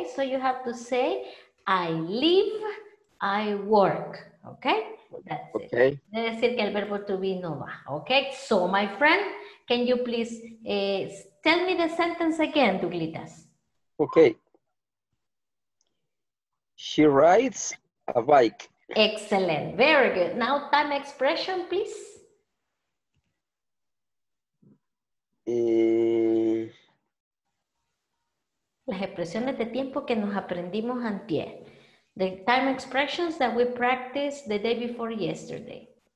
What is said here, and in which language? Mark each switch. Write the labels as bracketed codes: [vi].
[en] So you have to say, I live, I work, ¿ok? That's okay. It. [es] Debe decir que el verbo to be no va, ¿ok? [en] So, my friend, can you please tell me the sentence again, Douglitas? Ok. She writes... A bike. Excellent. Very good. Now time expression, please. Uh, [es] las expresiones de tiempo que nos aprendimos antier. [en] The time expressions that we practiced the day before yesterday.